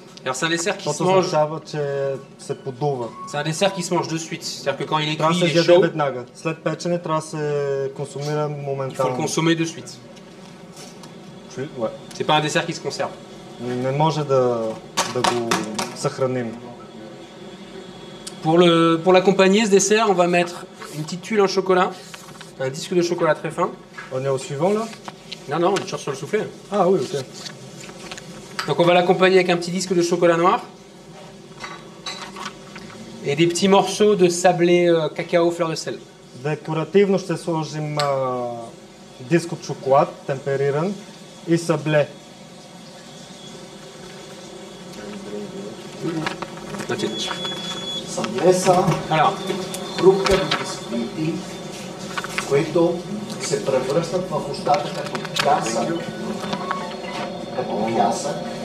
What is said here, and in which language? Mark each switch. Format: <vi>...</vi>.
<fr>Alors c'est un dessert qui se mange.</fr> <bg>Означава, че се подува.</bg> <fr>C'est un dessert qui se mange de suite. C'est-à-dire que quand il est cuit, il est chaud.</fr> <bg>Трябва да се яде веднага. След печене трябва да се консумира моментално.</bg> <fr>Il faut le consommer de suite. Ouais. C'est pas un dessert qui se conserve.</fr> <bg>Не може да го съхраним.</bg> <fr>Pour l'accompagner ce dessert, on va mettre une petite tuile en chocolat, un disque de chocolat très fin. On est au suivant là? Non, on est toujours sur le soufflé. Ah oui, ok. Donc on va l'accompagner avec un petit disque de chocolat noir et des petits morceaux de sablé cacao fleur de sel. Décorativement,</fr> <bg>ще сложим диск от шоколад темпериран и сабле. Значит. Сабле са.</bg> <fr>Alors,</fr> <bg>хрупка на бисквити, които се превръщат в устата като пясък. Като пясък.</bg>